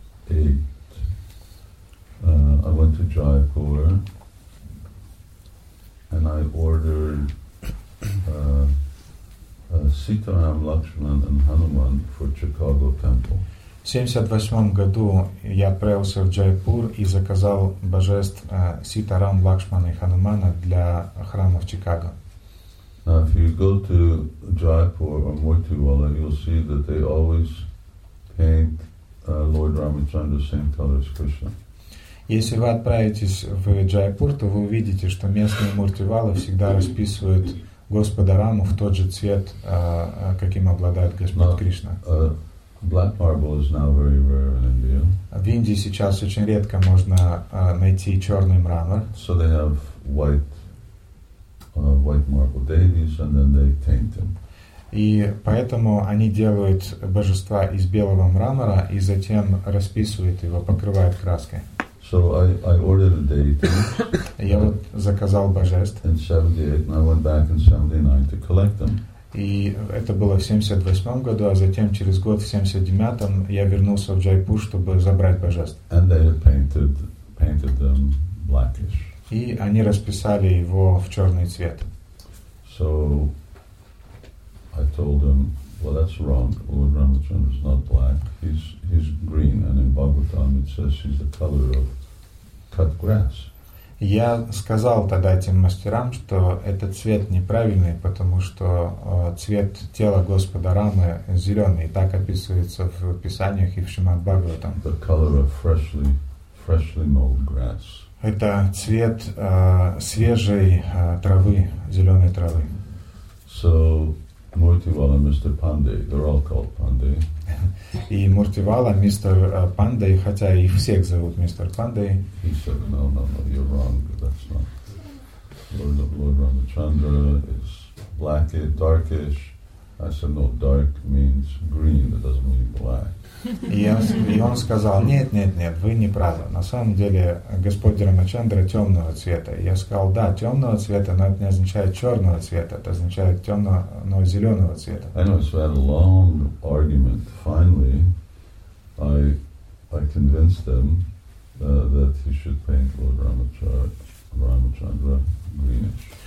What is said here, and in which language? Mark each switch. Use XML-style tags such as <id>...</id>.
<en>In 1978, I went to Jaipur and I ordered Sitaram Lakshman and Hanuman for Chicago Temple.</en> <ru>78 году я отправился в Джайпур и заказал божеств Ситарам, Лакшмана и Ханумана для храма в Чикаго.</ru> <en>Now, if you go to Jaipur or Motiwala, you'll see that they always paint Lord Ramachandra the same color as Krishna.</en> <ru>Если вы отправитесь в Джайпур, то вы увидите, что местные Муртивалы всегда расписывают Господа Раму в тот же цвет, каким обладает Господь Кришна.</ru> <en>Black marble is now very rare in India.</en> <ru>В Индии сейчас очень редко можно найти черный мрамор.</ru> <en>So they have white marble deities, and then they paint them.</en> <ru>И поэтому они делают божества из белого мрамора и затем расписывают его, покрывают краской.</ru> <en>So I ordered a deity.</en> <ru>Я вот заказал божеств.</ru> <en>In 78, and I went back in 79 to collect them.</en> <ru>И это было в 78 году, а затем через год в 79 я вернулся в Джайпур, чтобы забрать божеств.</ru> <en>And they had painted them blackish.</en> <ru>И они расписали его в черный цвет.</ru> <en>So I told them, well, that's wrong. Lord Ramachandra is not black. He's green. And in Bhagavatam it says he's the color of cut grass.</en> <ru>Я сказал тогда этим мастерам, что этот цвет неправильный, потому что цвет тела Господа Рамы зеленый. Так описывается в писаниях и в Шримад Бхагаватам.</ru> <en>The color of freshly mowed grass.</en> <ru>Это цвет свежей травы, зеленой травы.</ru> <en>So, Murtivala, Mr. Pandey, they're all called Pandey.</en> <ru>И Муртивала, мистер Пандей, хотя их всех зовут мистер Пандей.</ru> <en>He said, no, you're wrong, that's not. Lord Ramachandra is black, darkish. I said, no, dark means green, it doesn't mean black.</en> <ru>И он сказал, нет, вы не правы. На самом деле, Господь Рамачандра темного цвета. Я сказал, да, темного цвета, но это не означает черного цвета, это означает темного, но зеленого цвета.</ru> <en>Anyway, so I had a long argument. Finally, I convinced them that he should paint Lord Ramachandra greenish.</en>